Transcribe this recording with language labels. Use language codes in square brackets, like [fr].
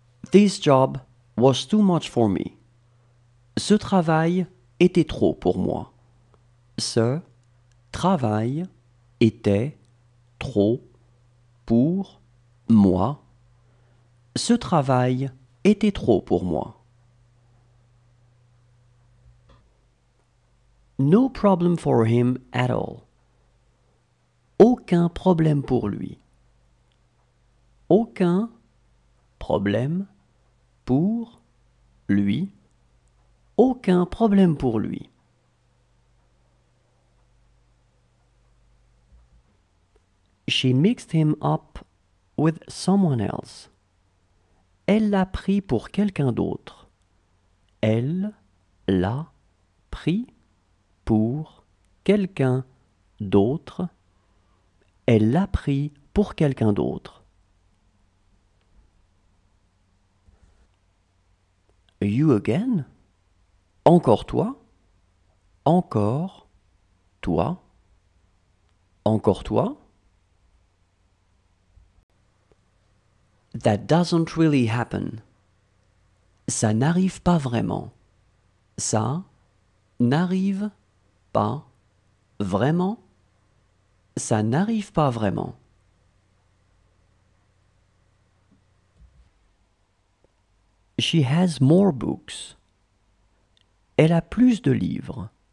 [en] This job was too much for me. [fr] Ce travail était trop pour moi. Ce travail était trop pour moi. Ce travail était trop pour moi. [en] No problem for him at all. [fr] Aucun problème pour lui. Aucun problème pour lui. Aucun problème pour lui. [en] She mixed him up with someone else. [fr] Elle l'a pris pour quelqu'un d'autre. Elle l'a pris pour quelqu'un d'autre. Elle l'a pris pour quelqu'un d'autre. [en] You again? [fr] Encore toi? Encore toi? Encore toi? [en] That doesn't really happen. [fr] Ça n'arrive pas vraiment. Ça n'arrive pas vraiment. Ça n'arrive pas vraiment. [en] She has more books. [fr] Elle a plus de livres.